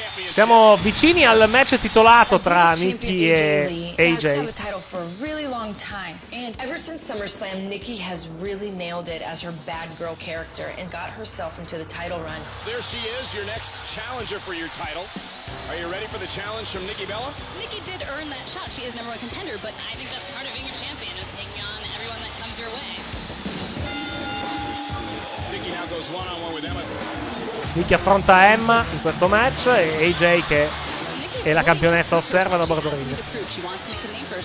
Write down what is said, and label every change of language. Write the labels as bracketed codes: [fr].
[it] Siamo vicini al match titolato tra Nikki e AJ. [en] Ever since SummerSlam, Nikki has really nailed it as her bad girl character and got herself into the title run. There she is, your next challenger for your title. Are you ready for the challenge from Nikki Bella? Nikki did earn that shot. She is number one contender, but I think that's part of being a champion, is taking on everyone that comes your way. Nikki now goes one on one with Emma. [it] Nikki affronta Emma in questo match e AJ, che è la campionessa, osserva da bordo ring.